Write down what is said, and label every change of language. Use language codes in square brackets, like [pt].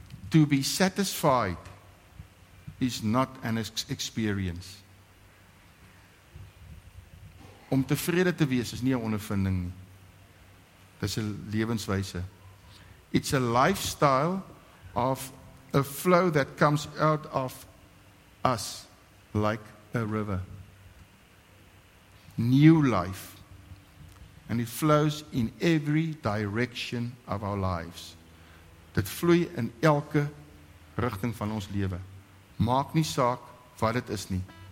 [en] To be satisfied is not an experience. [af] Om tevrede te wees is nie 'n ondervinding nie. Dis 'n lewenswyse. [en] It's a lifestyle of a flow that comes out of us like a river. New life. And it flows in every direction of our lives. [af] Dit vloei in elke rigting van ons lewe. Maak nie saak wat dit is nie.